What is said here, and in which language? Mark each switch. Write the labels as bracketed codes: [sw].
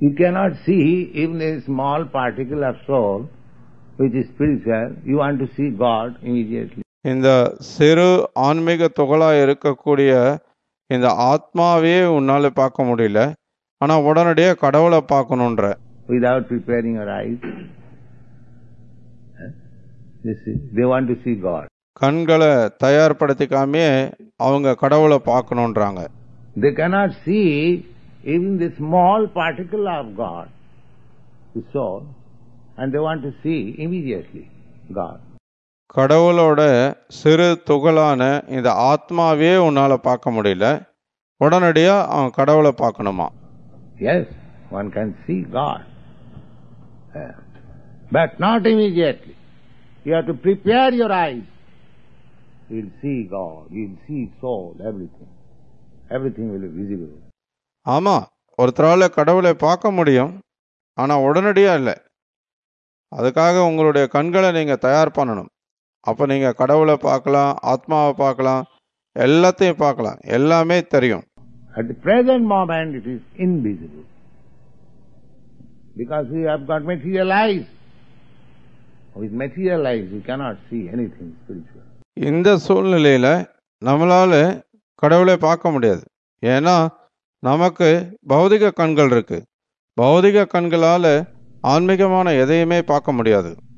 [en] You cannot see even a small particle of soul which is spiritual. You want to see God immediately. [ta] இந்த சிறு ஆன்மீக துகளா இருக்கக்கூடிய இந்த ஆத்மாவே உன்னால பார்க்க முடியல. ஆனா உடனடியே கடவுளை பார்க்கணும்ன்ற. [en] Without preparing your eyes. They want to see God. [ta] கண்களை தயார்படுத்திக்காமே அவங்க கடவுளை பார்க்கணும்ன்றாங்க. [en] They cannot see even the small particle of God, the soul, and they want to see immediately God. [ta] கடவுளோட சிறு துகளான இந்த ஆத்மாவே உன்னால பார்க்க முடியல. உடனடியா அவன் கடவுளை பார்க்கணுமா? [en] Yes, one can see God. But not immediately. You have to prepare your eyes. You'll see God, you'll see soul, everything. Everything will be visible. [ta] ஆமா, ஒருத்தரால கடவுளை பார்க்க முடியும், ஆனா உடனடியா இல்ல. அதுக்காக உங்களுடைய கண்களை நீங்க தயார் பண்ணணும். அப்ப நீங்க கடவுளை பார்க்கலாம், ஆத்மாவை பார்க்கலாம், எல்லாத்தையும் பார்க்கலாம், எல்லாமே தெரியும். [en] At the present moment it is invisible. Because we have got material eyes. With material eyes, we cannot see anything spiritual. [ta] இந்த சூழ்நிலையில நம்மளால கடவுளை பார்க்க முடியாது. ஏன்னா நமக்கு பௌதிக கண்கள் இருக்கு. பௌதிக கண்களால ஆன்மீகமான எதையுமே பார்க்க முடியாது.